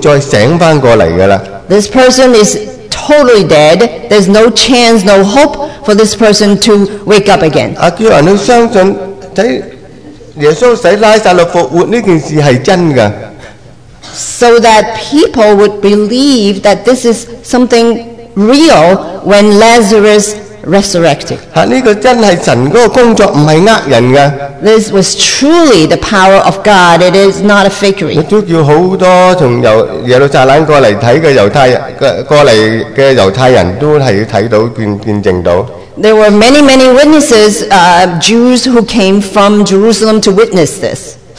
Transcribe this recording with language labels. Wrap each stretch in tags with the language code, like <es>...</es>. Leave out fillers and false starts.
<zh>这个人真是实实在在死了，他不会再醒过来的了。</zh> <en>This person is totally dead. There's no chance, no hope for this person to wake up again.</en> <zh>叫人相信, 耶稣使拉撒路复活这件事是真的。</zh> <en>So that people would believe that this is something real when Lazarus resurrected.</en> <zh>这个真是神的工作，不是骗人的。</zh> <en>This was truly the power of God. It is not a fakery.</en> <zh>也叫很多从耶路撒冷过来看的犹太人都是看到见证到。</zh> <en>There were many, many witnesses, Jews who came from Jerusalem to witness this.</en>